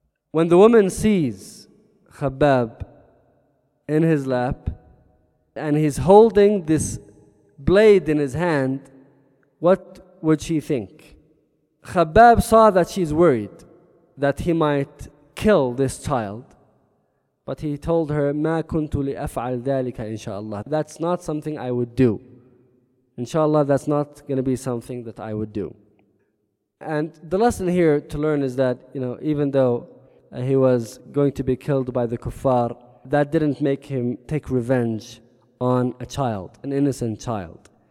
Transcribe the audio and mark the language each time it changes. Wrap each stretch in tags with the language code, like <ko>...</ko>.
<en>When the woman sees Khabbab in his lap, and he's holding this blade in his hand, what would she think? Khabbab saw that she's worried that he might kill this child. But he told her,</en> <ar>مَا كُنْتُ لِأَفْعَلْ ذَلِكَ إِنْشَاءَاللَّهِ.</ar> <en>That's not something I would do. InshaAllah, that's not going to be something that I would do. And the lesson here to learn is that, you know, even though he was going to be killed by the kuffar, that didn't make him take revenge on a child, an innocent child.</en>